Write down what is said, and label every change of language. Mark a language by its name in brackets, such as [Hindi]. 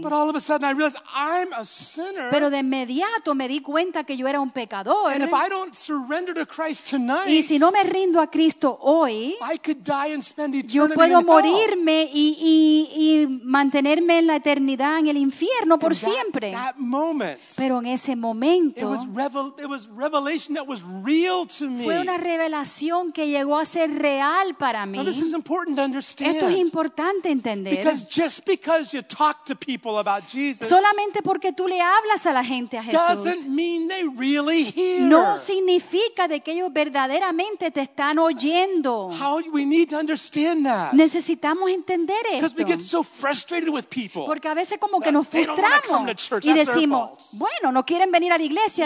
[English] But all of a sudden I realized I'm a sinner. [Spanish] Pero de inmediato me di cuenta que yo era un pecador. [English] And if I don't surrender to Christ tonight, [Spanish] y si no me rindo a Cristo hoy, [English] I could die and spend eternity [Spanish] yo puedo [English] in [Spanish] morirme y mantenerme en la eternidad en el infierno por [English] that, [Spanish] siempre. [English] That moment, [Spanish] pero en ese momento, [English] it was revelation that was real. [Spanish] Fue una revelación que llegó a ser real para mí. [English] Now, this is important to understand. [Spanish] Esto es importante entender. [English] Because just because you talk to people about Jesus, [Spanish] solamente porque tú le hablas a la gente a Jesús, [English] doesn't mean they really hear. [Spanish] No significa de que ellos verdaderamente te están oyendo. [English] How we need to understand that. [Spanish] Necesitamos entender esto. [English] Because we get so frustrated with people. [Spanish] Porque a veces como que nos frustramos y decimos, bueno, no quieren venir a la iglesia,